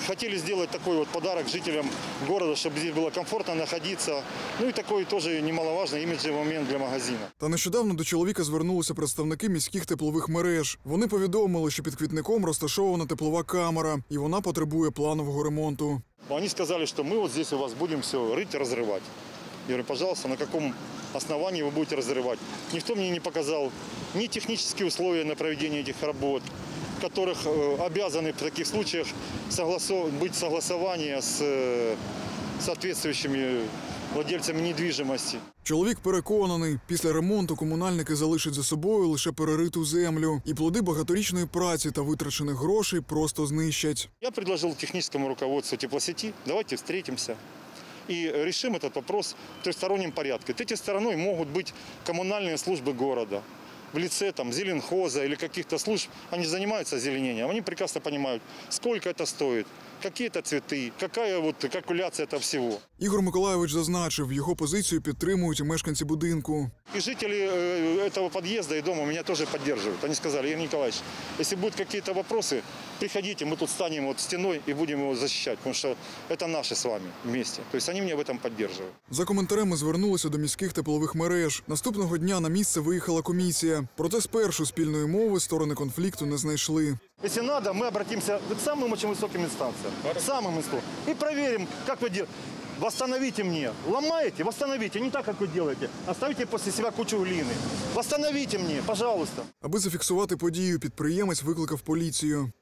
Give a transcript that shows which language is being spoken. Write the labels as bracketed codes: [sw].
[uk] Хотіли зробити такий от подарунок жителям міста, щоб тут було комфортно знаходитися. Ну і такий теж немаловажний іміджовий момент для магазину. Та нещодавно до чоловіка звернулися представники міських теплових мереж. Вони повідомили, що під квітником розташована теплова камера, і вона потребує планового ремонту. Вони сказали, що ми от тут у вас будемо все рити, розривати. [ru] Я говорю, пожалуйста, на якому основании вы будете разрывать. Никто мне не показал ни технические условия на проведение этих работ, которых обязаны в таких случаях быть согласование с соответствующими владельцами недвижимости. [uk] Чоловік переконаний, після ремонту комунальники залишать за собою лише перериту землю. І плоди багаторічної праці та витрачених грошей просто знищать. [ru] Я предложил техническому руководству теплосети, давайте встретимся. И решим этот вопрос в трехстороннем порядке. Третьей стороной могут быть коммунальные службы города. В лице там зеленхоза или каких-то служб, они занимаются озеленением. Они прекрасно понимают, сколько это стоит, какие это цветы, какая вот калькуляция этого всего. [uk] Ігор Миколайович зазначив, його позицію підтримують і мешканці будинку. [ru] И жители этого подъезда и дома меня тоже поддерживают. Они сказали, Игорь Николаевич, если будут какие-то вопросы, приходите, мы тут станем вот стеной и будем его защищать, потому что это наше с вами вместе. То есть они меня в этом поддерживают. [uk] За коментарями звернулися до міських теплових мереж. Наступного дня на місце виїхала комісія. Проте спершу спільної мови сторони конфлікту не знайшли. [ru] Если надо, мы обратимся к самым очень высоким инстанциям. Самым высоким. И проверим, как вы делаете. Восстановите мне. Ломаете? Восстановите. Не так, как вы делаете. Оставите после себя кучу глины. Восстановите мне, пожалуйста. [uk] Аби зафиксировать подію, підприємець викликав поліцію.